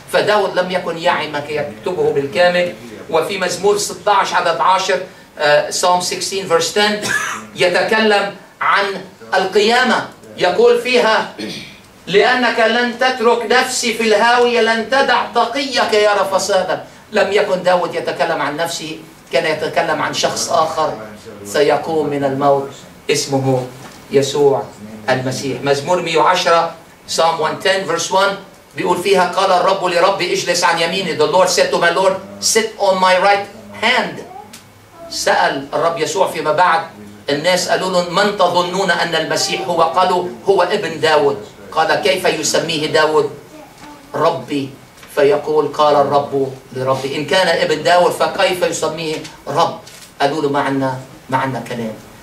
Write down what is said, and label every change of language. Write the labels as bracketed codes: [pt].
[ar] فداود لم يكن يعي ما يكتبه بالكامل. وفي مزمور 16 عدد 10 [en] Psalm 16 verse 10 [ar] يتكلم عن القيامة، يقول فيها لأنك لن تترك نفسي في الهاوية، لن تدع تقيك يرى فسادا. لم يكن داود يتكلم عن نفسه، كان يتكلم عن شخص آخر سيقوم من الموت، اسمه يسوع المسيح. مزمور 110 [en] Psalm 110 verse 1 [ar] بيقول فيها قال الرب لربي اجلس عن يميني. [en] The Lord said to my Lord sit on my right hand. [ar] سأل الرب يسوع فيما بعد الناس، قالوا له من تظنون أن المسيح هو؟ قالوا هو ابن داود. قال كيف يسميه داود؟ ربي. فيقول قال الرب لربي، إن كان ابن داود فكيف يسميه رب؟ قالوا له ما عنا كلام.